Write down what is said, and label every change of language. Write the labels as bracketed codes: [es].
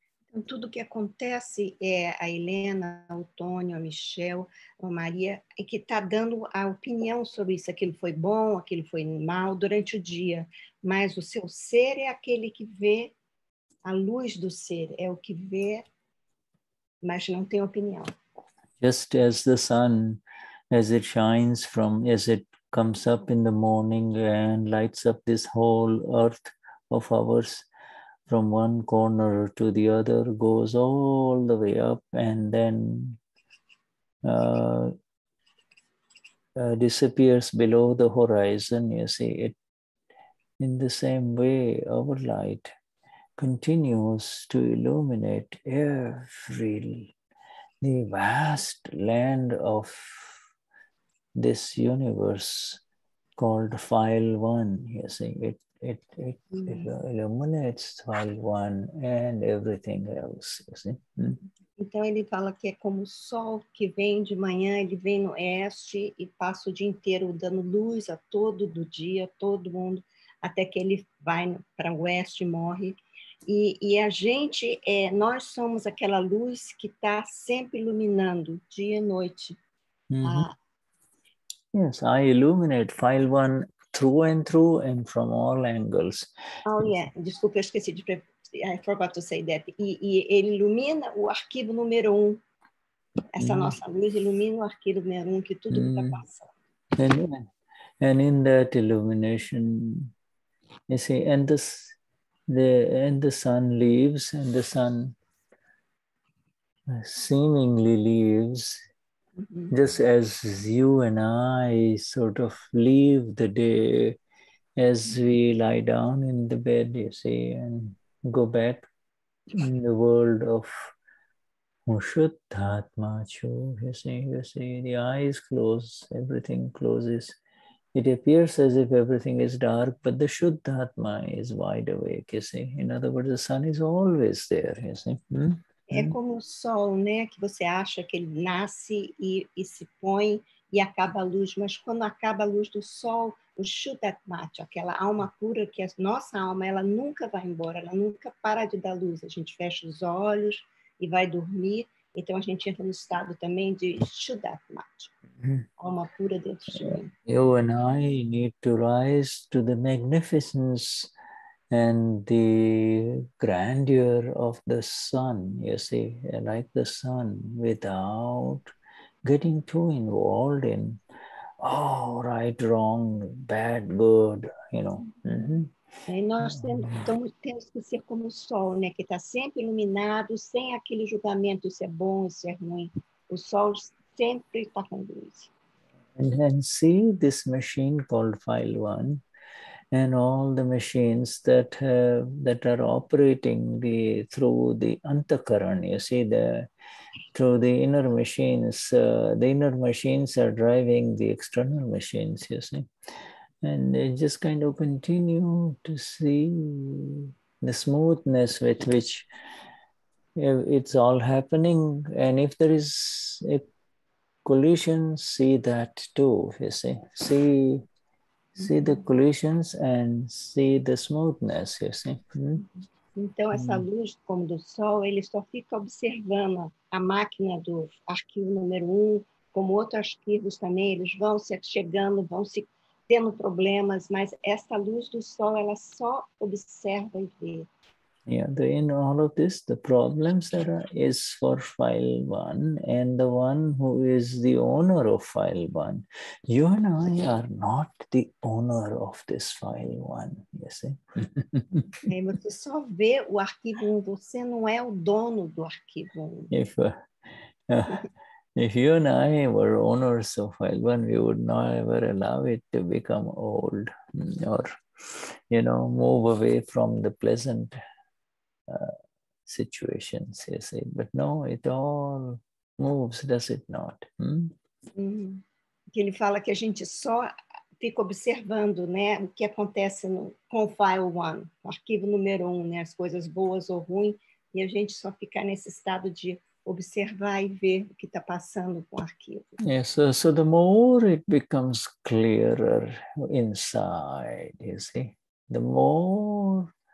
[pt] Então, tudo que acontece é a Helena, o Tony, a Michelle, a Maria, é que está dando a opinião sobre isso, aquilo foi bom, aquilo foi mal durante o dia, mas o seu ser é aquele que vê a luz do ser, é o que vê, mas não tem opinião. [en] Just as the sun, as it shines from, as it comes up in the morning and lights up this whole earth of ours, from one corner to the other, goes all the way up and then disappears below the horizon, you see. It, in the same way, our light continues to illuminate every the vast land of this universe called File One, you see. It illuminates File One and everything else, you see. Mm? [pt] Então ele fala que é como o sol que vem de manhã, ele vem no oeste e passa o dia inteiro dando luz a todo do dia, todo mundo, até que ele vai para o oeste e morre. E a gente, é, nós somos aquela luz que está sempre iluminando, dia e noite. Mm-hmm. [en] Yes, I illuminate File One through and through and from all angles. Oh, yeah. [pt] Desculpa, eu esqueci de... [en] I forgot to say that. [pt] E ele ilumina o arquivo número um. Essa nossa luz ilumina o arquivo número um, que tudo está passando. [en] And in that illumination, you see, and the sun leaves, and the sun seemingly leaves, just as you and I sort of leave the day as we lie down in the bed, you see, and go back in the world of Shuddhatma, you see, the eyes close, everything closes. It appears as if everything is dark, but the Shuddhatma is wide awake, you see. In other words, the sun is always there, you see. Hmm? [pt] É como o sol, né? Que você acha que ele nasce e se põe e acaba a luz. Mas quando acaba a luz do sol, o Shuddhatma, aquela alma pura, que é a nossa alma, ela nunca vai embora, ela nunca para de dar luz. A gente fecha os olhos e vai dormir. Então a gente entra no estado também de Shuddhatma, alma pura dentro de mim. [en] You and I need to rise to the magnificence and the grandeur of the sun, you see, like the sun, without getting too involved in right, wrong, bad, good, you know. [pt] Mm-hmm. E nós temos que ser como o sol, né, que está sempre iluminado, sem aquele julgamento se é bom ou se é ruim. O sol sempre está com luz. [en] And then see this machine called File One, and all the machines that are operating through the antakaran, you see, through the inner machines, the inner machines are driving the external machines, you see. And they just kind of continue to see the smoothness with which it's all happening. And if there is a collisions, see that too, you see. See the collisions and see the smoothness, you see. [pt] Então, essa luz, como do sol, ele só fica observando a máquina do arquivo número um, como outros arquivos também, eles vão se chegando, vão se tendo problemas, mas essa luz do sol, ela só observa e vê. [en] Yeah, in all of this, the problems that are, is for file one and the one who is the owner of file one. You and I are not the owner of this file one, you see? [pt] Você só vê o arquivo 1, você não é o dono do arquivo 1. [en] If you and I were owners of file one, we would not ever allow it to become old or, you know, move away from the pleasant situations, you see, but no, it all moves, does it not? [pt] Que ele fala que a gente só fica observando, né, o que acontece no, com o file one, o arquivo número um, né, as coisas boas ou ruins, e a gente só fica nesse estado de observar e ver o que está passando com o arquivo. [en] Yes, so the more it becomes clearer inside, you see, the more.